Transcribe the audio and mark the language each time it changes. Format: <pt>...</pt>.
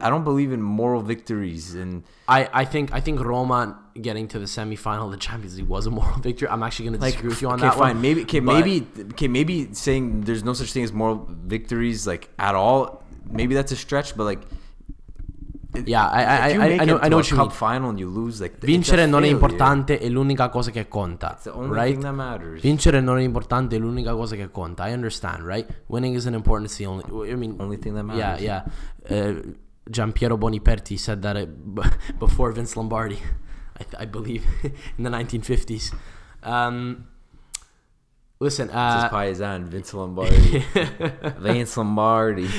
<en>I don't believe in moral victories. And I think Roma getting to the semifinal of the Champions League was a moral victory. I'm actually going to disagree with you on that one. Maybe saying there's no such thing as moral victories like at all, maybe that's a stretch, but like, yeah, I know what you mean. Cup final and you lose, like,</en> <it>vincere non è importante, è l'unica cosa che conta.</it> <en>It's the only thing that matters.</en> <it>Vincere non è importante, è l'unica cosa che conta.</it> <en>I understand, right? Winning isn't important. It's the only. I mean, only thing that matters. Yeah, yeah. Gianpiero Boniperti said that before Vince Lombardi, I believe, in the 1950s. Listen, this is Paisan, Vince Lombardi. Vince Lombardi.</en>